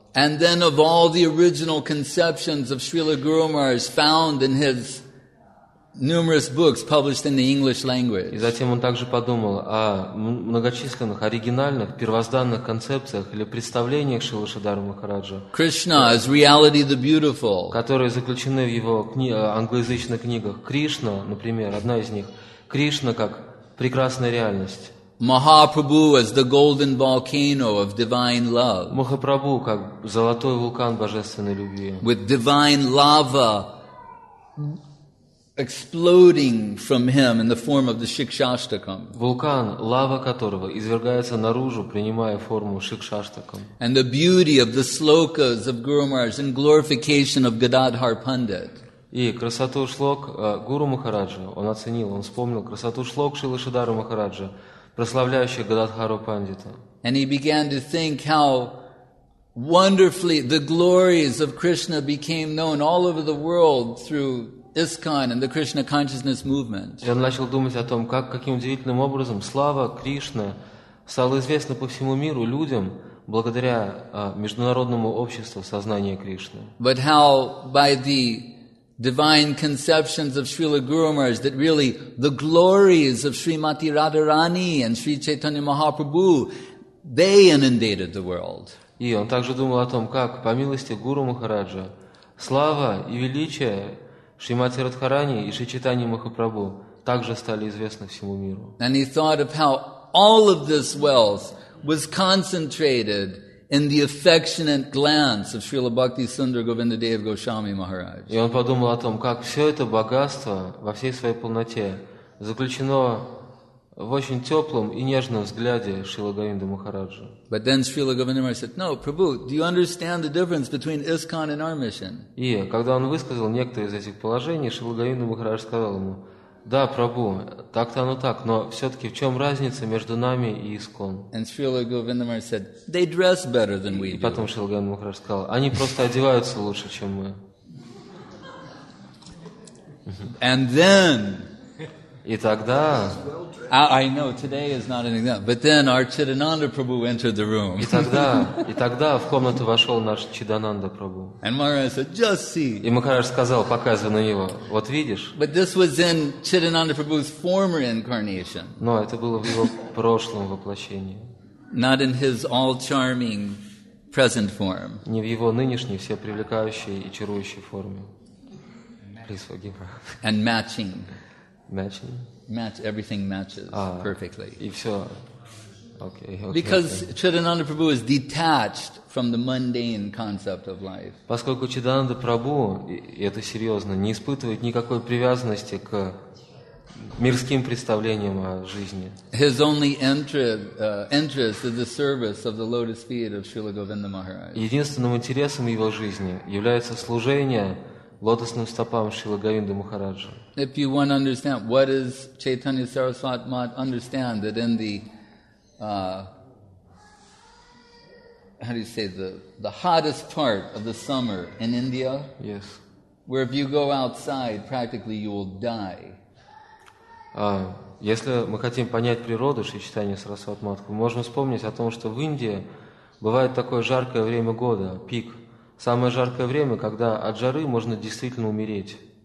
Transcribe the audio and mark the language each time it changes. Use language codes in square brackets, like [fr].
[en] And then of all the original conceptions of Srila Guru Maharaj found in his numerous books published in the English language. [ru] И затем он также подумал о многочисленных оригинальных первозданных концепциях или представлениях Шрилы Шридхара Махараджа. [en] Krishna is reality the beautiful. [ru] Которые заключены в его англоязычных книгах. Кришна, например, одна из них. Кришна как прекрасная реальность. [en] Mahaprabhu as the golden volcano of divine love. [ru] Махапрабху как золотой вулкан божественной любви. [en] With divine lava exploding from him in the form of the Shikshashtakam. [ru] Вулкан, лава которого извергается наружу, принимая форму Шикшаштакам. [en] And the beauty of the slokas of Guru Maharaj in glorification of Gadadhar Pandit. [ru] И красоту шлок Гуру Махараджа, он оценил, он вспомнил красоту шлок Шрилы Шридхара Махараджа, прославляющих Гададхару Пандита. [en] And he began to think how wonderfully the glories of Krishna became known all over the world through ISKCON and the Krishna Consciousness Movement. [ru] И он начал думать о том, каким удивительным образом слава Кришны стала известна по всему миру людям благодаря международному обществу сознания Кришны. [en] But how by the divine conceptions of Srila Guru Maharaj that really the glories of Srimati Radharani and Sri Chaitanya Mahaprabhu, they inundated the world. [ru] И он также думал о том, как по милости Гуру Махараджа слава и величие Шримати Радхарани и Шри Чайтанья Махапрабху также стали известны всему миру. [en] And he thought of how all of this wealth was concentrated in the affectionate glance of Srila Bhakti Sundara Govindadeva Goswami Maharaj. [ru] И он подумал о том, как все это богатство во всей своей полноте заключено в очень теплом и нежном взгляде Шрилы Говинды Махараджа. [en] But then Srila Govinda Maharaj said, "No, Prabhu, do you understand the difference between ISKCON and our mission?" [ru] И когда он высказал некоторые из этих положений, Шрила Говинда Махарадж сказал ему: "Да, Прабху, так-то оно так, но все-таки в чем разница между нами и ISKCON?" [en] And Srila Govinda Maharaj said, "They dress better than we do." [ru] И потом Шрила Говинда Махарадж сказал: "Они просто одеваются лучше, чем мы." [en] And then. [ru] И тогда. [en] I know today is not an example, but then our Chidananda Prabhu entered the room. [ru] И тогда в комнату вошел наш Чидананда Прабху. [en] And Maharaj said, "Just see." [ru] И Махарадж сказал, показывая на него, вот видишь. [en] But this was in Chidananda Prabhu's former incarnation. [ru] Но это было в его прошлом воплощении. [en] Not in his all-charming present form. [ru] Не в его нынешней все привлекающей и чарующей форме. [en] Please forgive her. And matching. Matching? Match, everything matches perfectly. If so. Okay. Because Chidananda Prabhu is detached from the mundane concept of life. [ru] Поскольку Чидананда Прабху, это серьезно, не испытывает никакой привязанности к мирским представлениям о жизни. [en] His only interest is the service of the lotus feet of Śrīla Govinda Maharaj. [ru] Единственным интересом его жизни является служение лотосным стопам Шрилы Говинды Махараджа. [en] If you want to understand what is Chaitanya Saraswat Mat, understand that in the the hottest part of the summer in India. Yes. Where if you go outside, practically you will die. [ru] Если мы хотим понять природу Шри Чайтанья Сарасвати Матхи, мы можем вспомнить о том, что в Индии бывает такое жаркое время года, пик. Самое жаркое время, когда от жары можно действительно умереть.